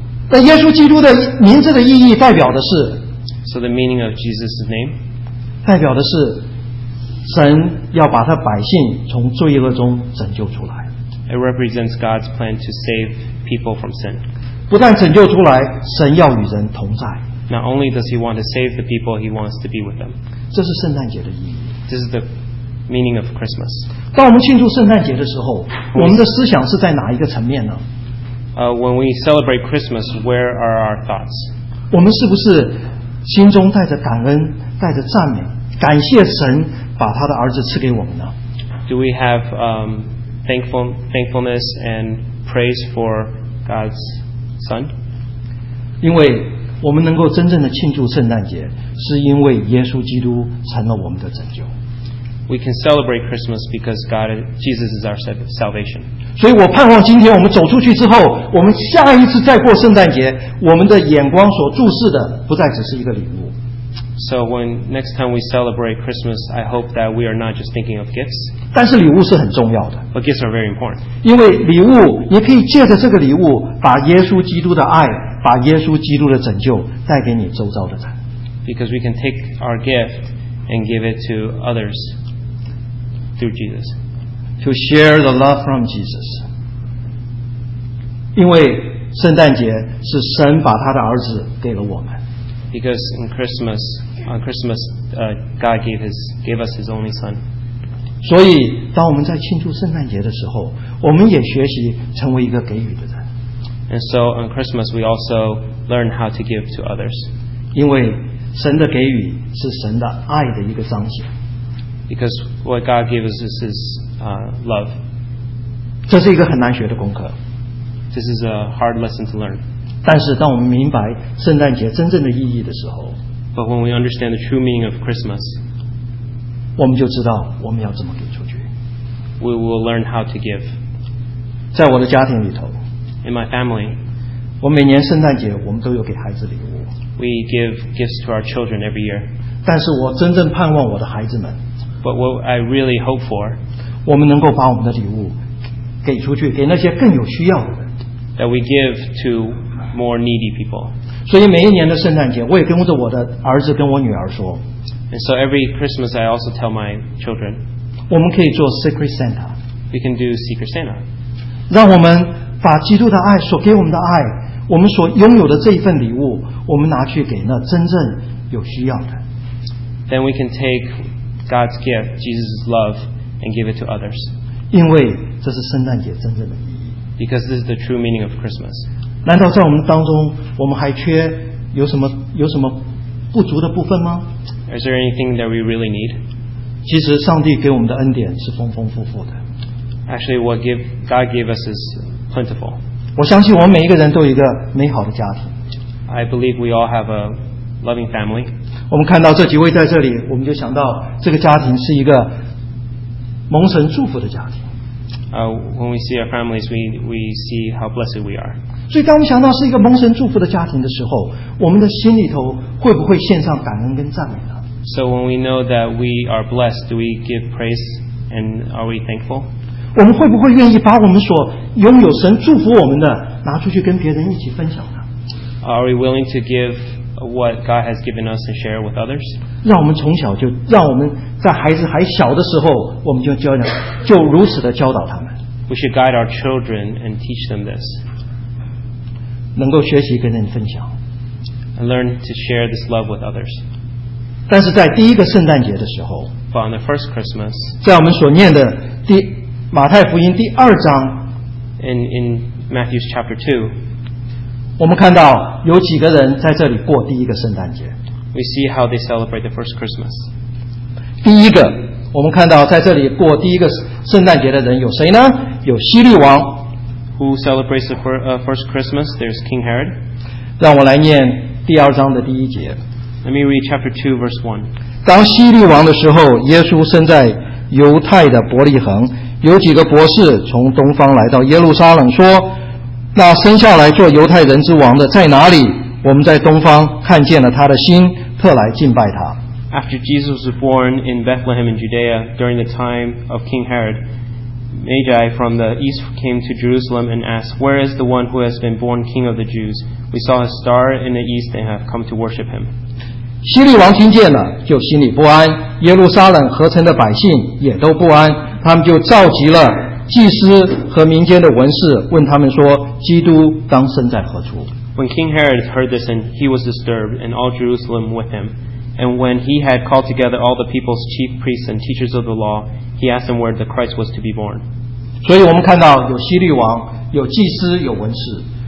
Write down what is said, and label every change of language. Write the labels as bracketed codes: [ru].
[zh] 那耶稣基督的名字的意义代表的是 [en] So the meaning of Jesus' name [zh] 代表的是神要把他百姓从罪恶中拯救出来。 [en] It represents God's plan to save people from sin. [zh] 不但拯救出来，神要与人同在。 [en] Not only does he want to save the people, he wants to be with them. [zh] 这是圣诞节的意义。 [en] This is the meaning of Christmas. [zh] 当我们庆祝圣诞节的时候，我们的思想是在哪一个层面呢？ [en] When we celebrate Christmas, where are our thoughts? [zh] 我们是不是心中带着感恩，带着赞美，感谢神把他的儿子赐给我们呢？ [en] Do we have thankfulness and praise for God's son? [zh] 因为我们能够真正的庆祝圣诞节，是因为耶稣基督成了我们的拯救。 [en] We can celebrate Christmas because Jesus is our salvation. [zh] 所以我盼望今天我们走出去之后，我们下一次再过圣诞节，我们的眼光所注视的不再只是一个礼物。 [en] So when next time we celebrate Christmas, I hope that we are not just thinking of gifts. [zh] 但是礼物是很重要的。 [en] But gifts are very important. [zh] 因为礼物，你可以借着这个礼物，把耶稣基督的爱，把耶稣基督的拯救带给你周遭的人。 [en] Because we can take our gift and give it to others. Through Jesus. To share the love from Jesus. [zh] 因为圣诞节是神把他的儿子给了我们。 [en] Because in Christmas, on Christmas, God gave us his only son. [zh] 所以当我们在庆祝圣诞节的时候，我们也学习成为一个给予的人。 [en] And so on Christmas, we also learn how to give to others. [zh] 因为神的给予是神的爱的一个彰显。 [en] Because what God gives us is love. [zh] 这是一个很难学的功课。 [en] This is a hard lesson to learn. [zh] 但是当我们明白圣诞节真正的意义的时候， [en] But when we understand the true meaning of Christmas, [zh] 我们就知道我们要怎么给出去。 [en] We will learn how to give. [zh] 在我的家庭里头， [en] In my family, [zh] 我每年圣诞节我们都有给孩子礼物。 [en] We give gifts to our children every year. [zh] 但是我真正盼望我的孩子们。 [en] But what I really hope for, [zh] 我们能够把我们的礼物给出去，给那些更有需要的人。 [en] That we give to more needy people. [zh] 所以每一年的圣诞节，我也跟着我的儿子跟我女儿说。 [en] And so every Christmas, I also tell my children. [zh] 我们可以做 Secret Santa. [en] We can do Secret Santa. [zh] 让我们把基督的爱所给我们的爱，我们所拥有的这一份礼物，我们拿去给那真正有需要的。 [en] Then we can take. God's gift, Jesus' love, and give it to others. [zh] 因为这是圣诞节真正的意义。 [en] Because this is the true meaning of Christmas. [zh] 难道在我们当中，我们还缺有什么不足的部分吗？ [en] Is there anything that we really need? [zh] 其实上帝给我们的恩典是丰丰富富的。 [en] Actually, what God gave us is plentiful. [zh] 我相信我们每一个人都有一个美好的家庭。 [en] I believe we all have a loving family. [zh] 我们看到这几位在这里，我们就想到这个家庭是一个蒙神祝福的家庭。 [en] When we see our families, we see how blessed we are. [zh] 所以当我们想到是一个蒙神祝福的家庭的时候，我们的心里头会不会献上感恩跟赞美呢？ [en] So when we know that we are blessed, do we give praise and are we thankful? [zh] 我们会不会愿意把我们所拥有神祝福我们的拿出去跟别人一起分享呢？ [en] Are we willing to give? What God has given us to share with others. [zh] 让我们从小就让我们在孩子还小的时候，我们就教养，就如此的教导他们。 [en] We should guide our children and teach them this. [zh] 能够学习跟人分享。 [en] And learn to share this love with others. [zh] 但是在第一个圣诞节的时候 [en] But on the first Christmas, [zh] 在我们所念的第马太福音第二章 [en] in Matthew's chapter 2, [zh] 我们看到有几个人在这里过第一个圣诞节。 [en] We see how they celebrate the first Christmas. [zh] 第一个我们看到在这里过第一个圣诞节的人有谁呢？有希律王。 [en] Who celebrates the first Christmas? There's King Herod. [zh] 让我来念第二章的第一节。 [en] Let me read chapter 2, verse 1. [zh] 当希律王的时候，耶稣生在犹太的伯利恒。有几个博士从东方来到耶路撒冷，说：“那生下来做犹太人之王的在哪里？我们在东方看见了他的心，特来敬拜他。” [en] After Jesus was born in Bethlehem in Judea during the time of King Herod, Magi from the east came to Jerusalem and asked, "Where is the one who has been born King of the Jews? We saw a star in the east and have come to worship him." [zh] 希律王听见了，就心里不安，耶路撒冷合成的百姓也都不安。他们就召集了祭司和民间的文士，问他们说：“基督当生在何处？” [en] When King Herod heard this, and he was disturbed, and all Jerusalem with him, and when he had called together all the people's chief priests and teachers of the law, he asked them where the Christ was to be born. [zh] 所以我们看到有希律王，有祭司，有文士。